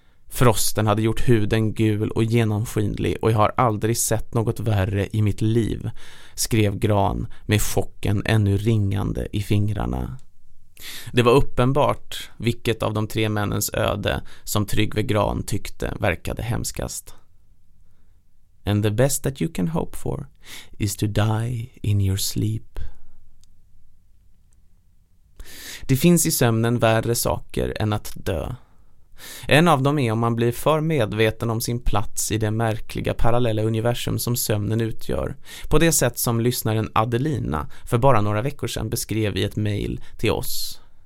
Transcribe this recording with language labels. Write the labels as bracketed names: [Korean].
[Swedish] Frosten hade gjort huden gul och genomskinlig och jag har aldrig sett något värre i mitt liv, skrev Gran med chocken ännu ringande i fingrarna. Det var uppenbart vilket av de tre männens öde som Trygve Gran tyckte verkade hemskast. [English] And the best that you can hope for is to die in your sleep. [Swedish] Det finns i sömnen värre saker än att dö. En av dem är om man blir för medveten om sin plats i det märkliga parallella universum som sömnen utgör, på det sätt som lyssnaren Adelina för bara några veckor sedan beskrev i ett mejl till oss.